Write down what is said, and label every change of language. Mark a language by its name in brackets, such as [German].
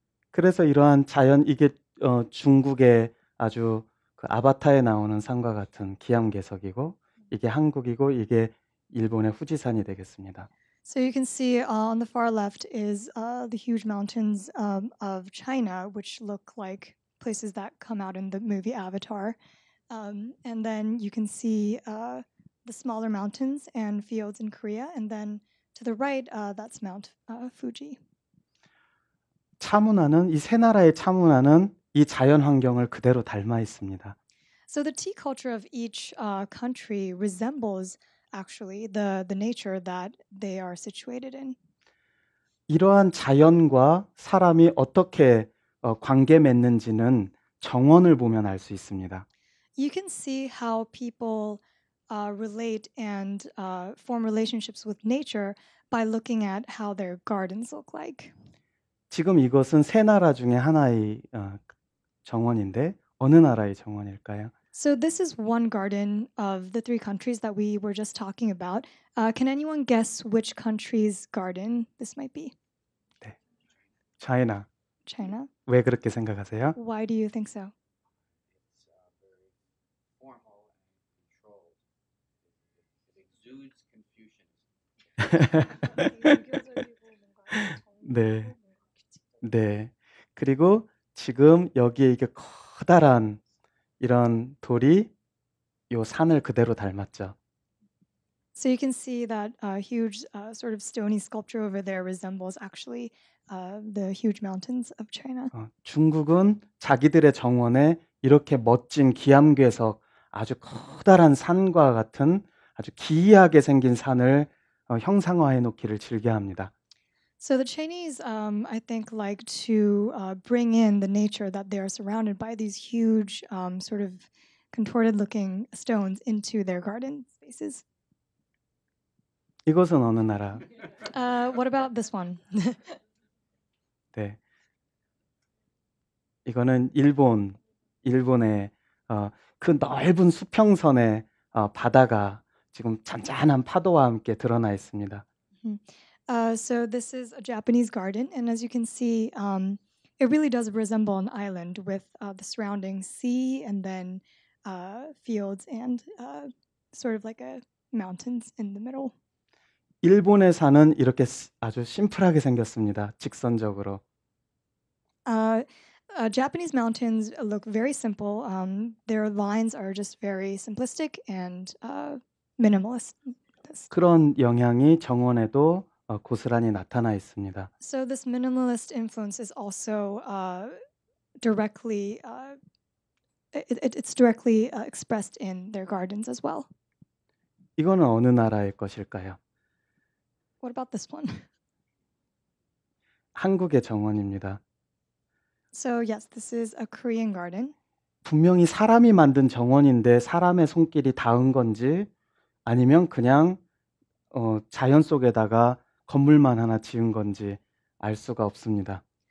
[Korean] 그래서 이러한 자연 이게 중국의 아주 그 아바타에 나오는 산과 같은 기암괴석이고 이게 한국이고 이게 일본의 후지산이 되겠습니다. [English] So you can see on the far left is the huge mountains of China, which look like places that come out in the movie Avatar. And then you can see the smaller mountains and fields in Korea. And then to the right, that's Mount Fuji. [Korean] 차 문화는 이 세 나라의 차 문화는 이 자연 환경을 그대로 닮아 있습니다. [English] So the tea culture of each country resembles actually the nature that they are situated in. [Korean] 이러한 자연과 사람이 어떻게 관계 맺는지는 정원을 보면 알 수 있습니다. [English] You can see how people relate and form relationships with nature by looking at how their gardens look like. [Korean] 지금 이것은 세 나라 중에 하나의 정원인데 어느 나라의 정원일까요? [English] So this is one garden of the three countries that we were just talking about. Can anyone guess which country's garden this might be? [Korean] 네. China. [English] China? [Korean] 왜 그렇게 생각하세요? [English] Why do you think so? It's very formal and controlled. It exudes Confucianism. [Korean] 네. 네. 그리고 지금 여기에 이게 커다란 이런 돌이 요 산을 그대로 닮았죠. [English] So you can see that a huge sort of stony sculpture over there resembles actually the huge mountains of China. [Korean] 중국은 자기들의 정원에 이렇게 멋진 기암괴석 아주 커다란 산과 같은 아주 기이하게 생긴 산을 형상화해 놓기를 즐겨합니다. [English] So the Chinese, I think, like to bring in the nature that they are surrounded by these huge, sort of contorted-looking stones into their garden spaces. [Korean] 이것은 어느 나라? [English] What about this one? [Korean] 네, 이거는 일본의 그 넓은 수평선의 바다가 지금 잔잔한 파도와 함께 드러나 있습니다. [English] So this is a Japanese garden, and as you can see, it really does resemble an island with the surrounding sea and then fields and sort of like a mountains in the middle. [Korean] 일본의 산은 이렇게 아주 심플하게 생겼습니다. 직선적으로. [English] Japanese mountains look very simple. Their lines are just very simplistic and minimalist. [Korean] 그런 영향이 정원에도 고스란히 나타나 있습니다. [English] So this minimalist influence is also directly it's directly expressed in their gardens as well. [Korean] 이거는 어느 나라의 것일까요? [English] What about this one? [Korean] 한국의 정원입니다. [English] So yes, this is a Korean garden. [Korean] 분명히 사람이 만든 정원인데 사람의 손길이 닿은 건지 아니면 그냥 자연 속에다가 건물만 하나 지은 건지 알 수가 없습니다.